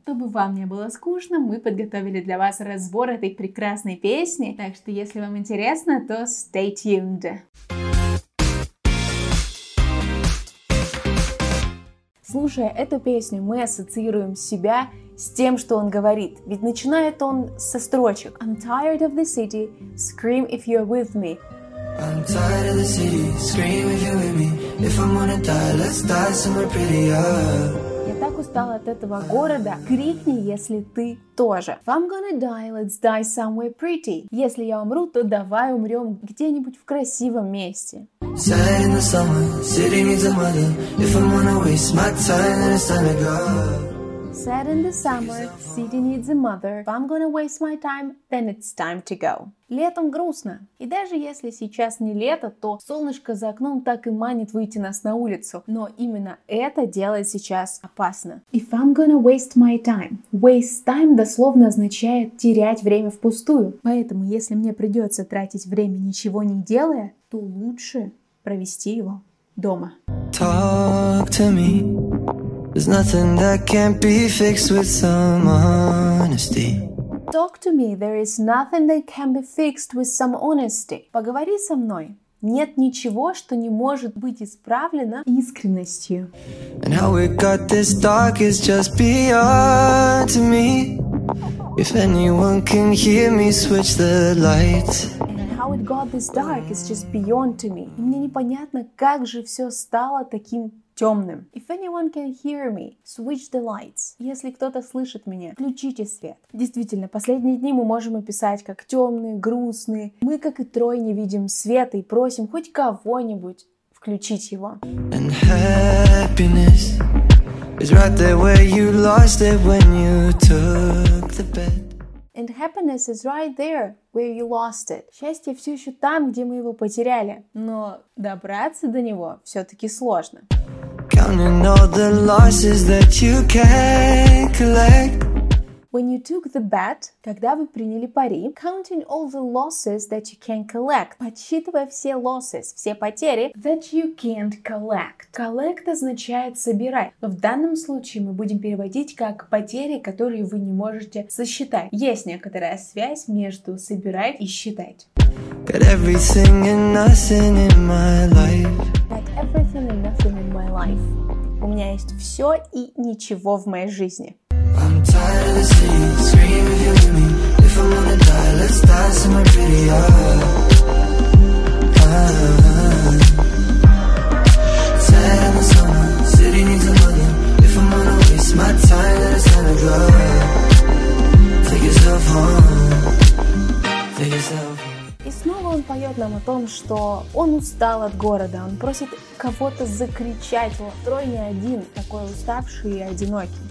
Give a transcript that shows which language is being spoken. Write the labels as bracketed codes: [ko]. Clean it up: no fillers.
[ru] Чтобы вам не было скучно, мы подготовили для вас разбор этой прекрасной песни, так что если вам интересно, то [en] stay tuned! [ru] Слушая эту песню, мы ассоциируем себя с тем, что он говорит. Ведь начинает он со строчек. [en] I'm tired of the city, scream if you're with me. I'm tired of the city, scream if you're with me. If I'm gonna die, let's die somewhere prettier. [ru] Я так устал от этого города, крикни, если ты тоже. [en] If I'm gonna die, let's die somewhere pretty. [ru] Если я умру, то давай умрем где-нибудь в красивом месте. [en] Sad in the summer, city needs a mother. If I'm gonna waste my time, then it's time to go. Sad in the summer, city needs a mother. If I'm gonna waste my time, then it's time to go. [ru] Летом грустно. И даже если сейчас не лето, то солнышко за окном так и манит выйти нас на улицу. Но именно это делает сейчас опасно. [en] If I'm gonna waste my time. Waste time [ru] дословно означает терять время впустую. Поэтому если мне придется тратить время, ничего не делая, то лучше провести его дома. [en] Talk to me. There's nothing that can't be fixed with some honesty. Talk to me, there is nothing that can be fixed with some honesty. [ru] Поговори со мной. Нет ничего, что не может быть исправлено искренностью. [en] And how we got this dark is just beyond to me. If anyone can hear me, switch the light. How it got this dark is just beyond to me. [ru] И мне непонятно, как же все стало таким темным. [en] If anyone can hear me, switch the lights. [ru] Если кто-то слышит меня, включите свет. Действительно, последние дни мы можем описать как темные, грустные. Мы, как и Трой, не видим света и просим хоть кого-нибудь включить его. [en] And happiness is right there where you lost it when you took the bed. And happiness is right there where you lost it. [ru] Счастье все еще там, где мы его потеряли. Но добраться до него все-таки сложно. [en] Counting all the losses that you can't collect. When you took the bet, [ru] когда вы приняли пари, [en] counting all the losses that you can't collect, [ru] подсчитывая все [en] losses, [ru] все потери, [en] that you can't collect. [ru] Collect означает собирать. Но в данном случае мы будем переводить как потери, которые вы не можете сосчитать. Есть некоторая связь между собирать и считать. [en] Got everything and nothing in my life. Got everything and nothing in my life. [ru] У меня есть все и ничего в моей жизни. [en] I'm tired of the city, scream if you're with me. If I'm gonna die, let's die somewhere pretty. Sad in the summer, city needs a mother. If I'm gonna waste my time, then it's time to go. Take yourself home. Take yourself home. [ru] И снова он поет нам о том, что он устал от города, он просит кого-то закричать, вот Трой не один, такой уставший и одинокий.